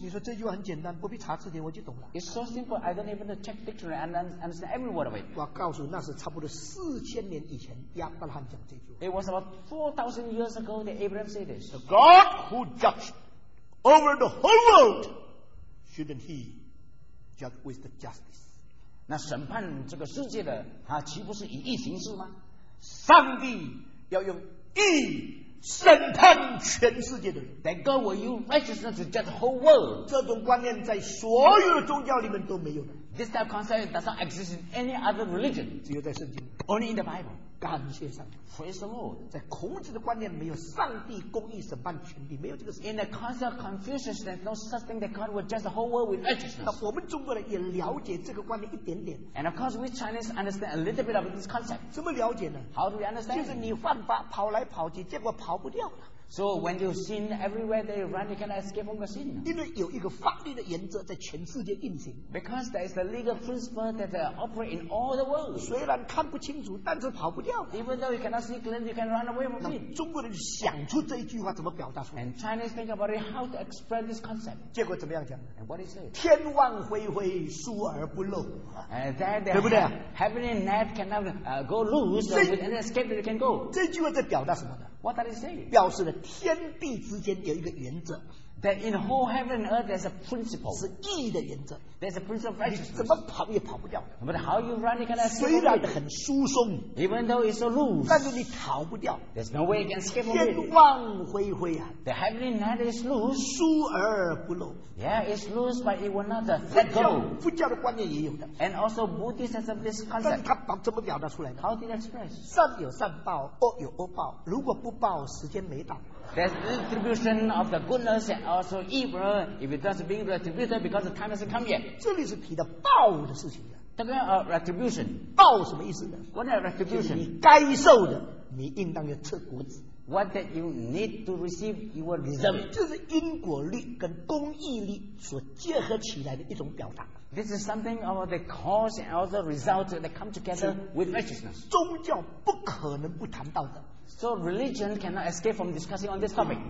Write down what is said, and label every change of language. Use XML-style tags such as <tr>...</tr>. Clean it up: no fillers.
<zh>你说这句话很简单，不必查字典我就懂了。</zh> <en>It's so simple, I don't even check dictionary and understand every word of it.</en> <zh>我告诉那是差不多4000年以前亚伯拉罕讲这句话。</zh> <en>It was about 4,000 years ago that Abraham said this. The God who judged over the whole world, shouldn't he judge with the justice?</en> <zh>那审判这个世界的，他岂不是以义行事吗？上帝要用义。审判全世界的人。</zh> <en>That God will use righteousness to judge the whole world.</en> <zh>这种观念在所有的宗教里面都没有的。</zh> <en>This type of concept does not exist in any other religion.</en> <zh>只有在圣经。</zh> <en>Only in the Bible.</en> <zh>感谢上帝。</zh> <en>Praise the Lord.</en> <zh>在孔子的观念没有上帝公义审判全地，没有这个事。</zh> <en>In the concept of Confucius, there's no such thing that God will judge the whole world with righteousness.</en> <zh>我们中国人也了解这个观念一点点。</zh> <en>And of course, we Chinese understand a little bit of this concept.</en> <zh>怎么了解呢？</zh> <en>How do we understand?</en> <zh>就是你犯法跑来跑去，结果跑不掉了。</zh> <en>So when you sin everywhere they run, you cannot escape from the sin.</en> <zh>因为有一个法律的原则在全世界运行。</zh> <en>Because there is a legal principle that operates in all the world.</en> <zh>虽然看不清楚，但是跑不掉。</zh> <en>Even though you cannot see clearly, you can run away from it.</en> <zh>中国人想出这一句话怎么表达出来</zh> <en>？And Chinese think about it, how to express this concept.</en> <zh>结果怎么样讲</zh> <en>？And what is it?</en> <zh>天网恢恢，疏而不漏。对不对</zh> <en>？Heaven and net cannot go loose, so with any escape you can go.</en> <zh>这句话在表达什么呢？</zh> <en>What does it say?</en> <zh>表示了天地之间有一个原则</zh> <en>that in whole heaven and earth there's a principle</en> <zh>是义的原则</zh> <en>there's a principle of righteousness</en> <zh>你怎么跑也跑不掉</zh> <en>but how you run you can escape</en> <zh>虽然很疏松</zh> <en>even though it's so loose</en> <zh>但是你逃不掉</zh> <en>there's no way you can escape</en> <zh>天网恢恢、啊、</zh> <en>the heaven and earth is loose</en> <zh>疏而不漏</zh> <en>yeah it's loose but it will not let go</en> <zh>佛教的观念也有的</zh> <en>and also Buddhist has of this concept</en> <zh>但他怎么表达出来的</zh> <en>how did it express</en> <zh>善有善报恶有恶报如果不报时间没到</zh> <en>There's retribution of the goodness and also evil if it doesn't being retributed because the time hasn't come yet</en> <zh>这里是提的报的事情这个 retribution 报什么意思呢</zh> <en>What is retribution</en> <zh>你该受的你应当要吃果子</zh> <en>What that you need to receive you will deserve</en> <zh>这是因果律跟公义律所结合起来的一种表达</zh> <en>This is something of the cause and also result that come together with righteousness.</en> <zh>宗教不可能不谈道德。</zh> <en>So religion cannot escape from discussing on this topic.</en>